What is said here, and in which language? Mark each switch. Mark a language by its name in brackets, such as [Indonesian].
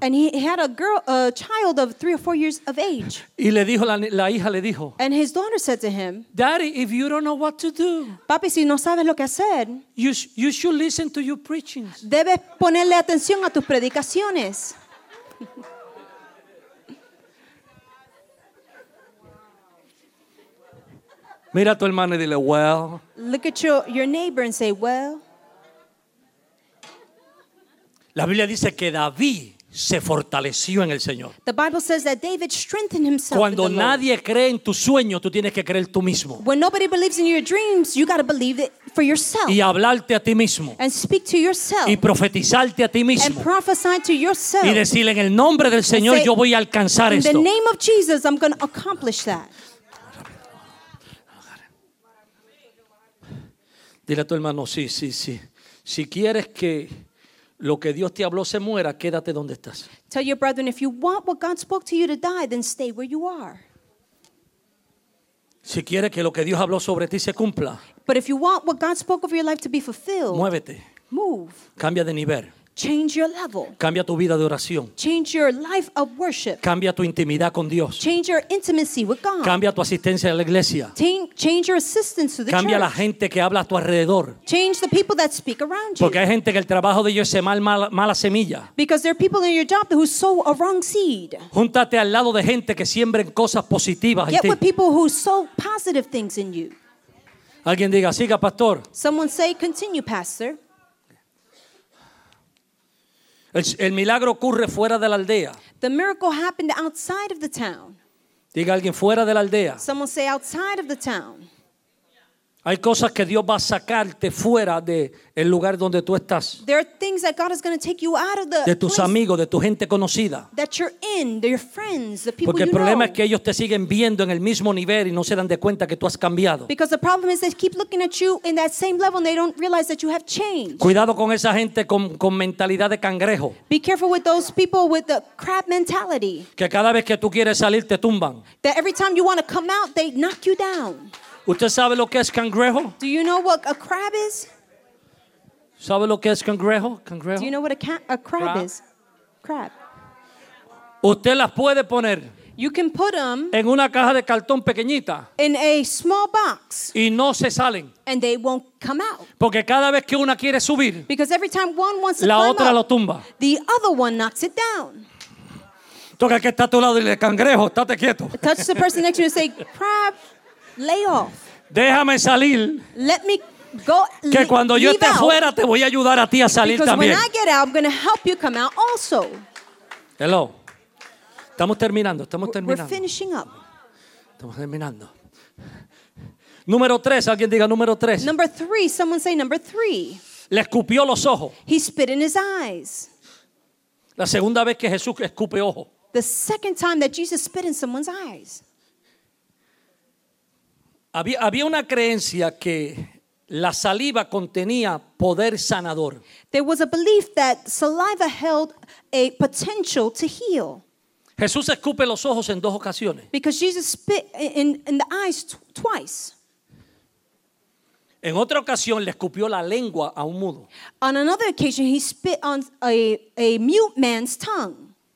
[English] And he had a girl, a child of 3 or 4 years of age. [Spanish] Y le dijo la hija le dijo. [English] And his daughter said to him, Daddy, if you don't know what to do, [Spanish] Papi, si no sabes lo que hacer, [English] you should listen to your preachings. [Spanish] Debes ponerle atención a tus predicaciones. Mira a tu hermano y dile, [English] well. Look at your neighbor and say, well. [Spanish] La Biblia dice que David se fortaleció en el Señor. [English] The Bible says that David strengthened himself. [Spanish] Cuando [English] in the [Spanish] nadie [English] Lord. [Spanish] Cree en tu sueño, tú tienes que creer tú mismo. [English] When nobody believes in your dreams, you got to believe it for yourself. [Spanish] Y hablarte a ti mismo. [English] And speak to yourself. [Spanish] Y profetizarte a ti mismo. [English] And prophesy to yourself. [Spanish] Y decirle en el nombre del Señor, [English] say, [Spanish] yo voy a alcanzar [English] in [Spanish] esto. [English] In the name of Jesus, I'm going to accomplish that. [Spanish] Dile a tu hermano, sí. Si quieres que lo que Dios te habló se muera, quédate donde estás. [English] Tell your brethren, if you want what God spoke to you to die, then stay where you are. [Spanish] Si quieres que lo que Dios habló sobre ti se cumpla, [English] but if you want what God spoke over your life to be fulfilled, [Spanish] muévete. [English] Move. [Spanish] Cambia de nivel. [English] Change your level. [Spanish] Cambia tu vida de oración. [English] Change your life of worship. [Spanish] Cambia tu intimidad con Dios. [English] Change your intimacy with God. [Spanish] Cambia tu asistencia a la iglesia. [English] Change your assistance to the [Spanish] cambia Cambia la gente que habla a tu alrededor. [English] Change the people that speak around you. [Spanish] Porque hay gente que el trabajo de ellos es mala semilla. [English] Because there are people in your job who sow a wrong seed. [Spanish] Júntate al lado de gente que siembren cosas positivas. [English] Get with people who sow positive things in you. [Spanish] Alguien diga, siga, pastor. [English] Someone say, continue, pastor. [Spanish] El milagro ocurre fuera de la aldea. [English] The miracle happened outside of the town. [Spanish] Diga alguien fuera de la aldea. [English] Someone say outside of the town. [Spanish] Hay cosas que Dios va a sacarte fuera de el lugar donde tú estás. [English] There are things that God is going to take you out of the [Spanish] de tus amigos, de tu gente conocida. [English] That you're in, your friends, the people you [Spanish] Porque el problema [English] know. [Spanish] Es que ellos te siguen viendo en el mismo nivel y no se dan de cuenta que tú has cambiado. [English] Because the problem is they keep looking at you in that same level and they don't realize that you have changed. [Spanish] Cuidado con esa gente con mentalidad de cangrejo. [English] Be careful with those people with the crab mentality. [Spanish] Que cada vez que tú quieres salir te tumban. [English] That every time you want to come out they knock you down. [Spanish] ¿Usted sabe lo que es cangrejo? [English] Do you know what a crab is? [Spanish] ¿Sabe lo que es cangrejo? Cangrejo. [English] Do you know what a crab is? Crab. [Spanish] ¿Usted las puede poner? [English] You can put them [Spanish] en una caja de cartón pequeñita. [English] In a small box. [Spanish] Y no se salen. [English] And they won't come out. [Spanish] Porque cada vez que una quiere subir, [English] because every time one wants to [Spanish] la [English] climb [Spanish] otra [English] up, [Spanish] lo tumba. [English] The other one knocks it down. [Spanish] Toca que está a tu lado y le cangrejo, estate quieto. [English] Touch the person next to you and say, crab. Lay off. [Spanish] Déjame salir. [English] Let me go. [Spanish] Que cuando yo esté fuera, te voy a ayudar a ti a salir también. [English] Because when I get out, I'm going to help you come out also. [Spanish] Hello. Estamos terminando. [English] We're finishing up. [Spanish] Estamos terminando. Número tres. Alguien diga número tres. [English] Number three. Someone say number three. [Spanish] Le escupió los ojos. [English] He spit in his eyes. [Spanish] La segunda vez que Jesús escupe ojo. [English] The second time that Jesus spit in someone's eyes. [Spanish] Había una creencia que la saliva contenía poder sanador. [English] There was a belief that saliva held a potential to heal. [Spanish] Jesús escupe los ojos en dos ocasiones. [English] Because Jesus spit in the eyes twice. [Spanish] En otra ocasión le escupió la lengua a un mudo. [English] On another occasion he spit on a mute man's tongue.